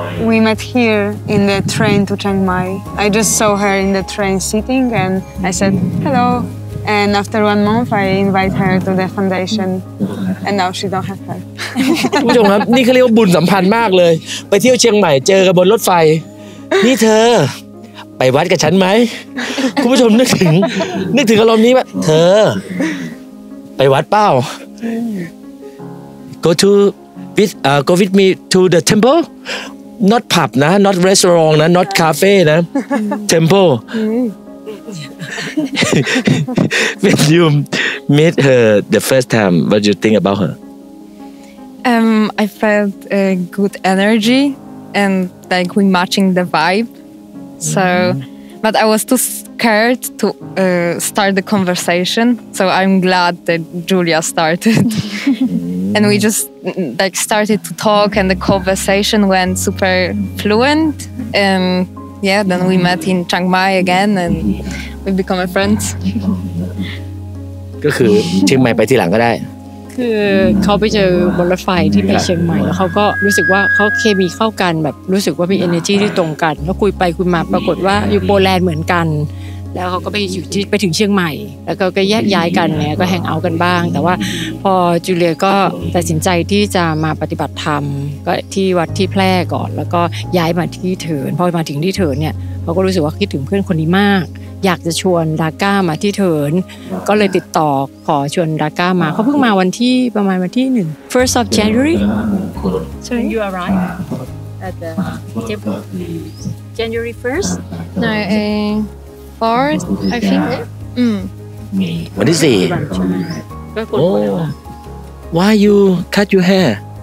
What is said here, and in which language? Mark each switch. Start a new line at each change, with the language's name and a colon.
English: We met here in the train to Chiang Mai. I just saw her in the train sitting and I said, hello. And after 1 month, I invite her to the foundation. And now she don't have her.
Thai: คุณผู้ชมครับนี่เขาเรียกว่าบุญสัมพันธ์มากเลยไปเที่ยวเชียงใหม่เจอกันบนรถไฟนี่เธอไปวัดกับฉันไหมคุณผู้ชมนึกถึงอารมณ์นี้ว่าเธอไปวัดเปล่า
English: go to with go with me to the temple not pub
Thai: นะ
English: not restaurant
Thai: นะ
English: not cafe
Thai: นะ
English: temple when you meet her the first time what do you think about her I felt a good energy and like we matching the vibeSo, but I was too scared to start the conversation. So I'm glad that Julia started. and we just like started to talk and the conversation went super fluent. And yeah, then we met in Chiang Mai again and we become a friend.
Thai: ก็คือเชียงใหม่ไปทีหลังก็ได้คือเขาไปเจอบนรถไฟที่ไปเชียงใหม่แล้วเขาก็รู้สึกว่าเขาเคมีเข้ากันแบบรู้สึกว่ามี energy ที่ตรงกันแล้วคุยไปคุยมาปรากฏว่าอยู่โปแลนด์เหมือนกัน แล้วเขาก็ไปอยู่ที่ไปถึงเชียงใหม่แล้วก็แยกย้ายกันเนี่ยก็แฮงเอากันบ้างแต่ว่าพอจูเลียก็ตัดสินใจที่จะมาปฏิบัติธรรมก็ที่วัดที่แพร่ก่อนแล้วก็ย้ายมาที่เถินพอมาถึงที่เถินเนี่ยเขาก็รู้สึกว่าคิดถึงเพื่อนคนนี้มากอยากจะชวนดาก้ามาที่เถินก็เลยติดต่อขอชวนดาก้ามาเขาเพิ่งมาวันที่ประมาณวันที่หนึ่ง
English: first of January so you arrived at the temple January 1st no fourth I think what is it oh why you cut your hair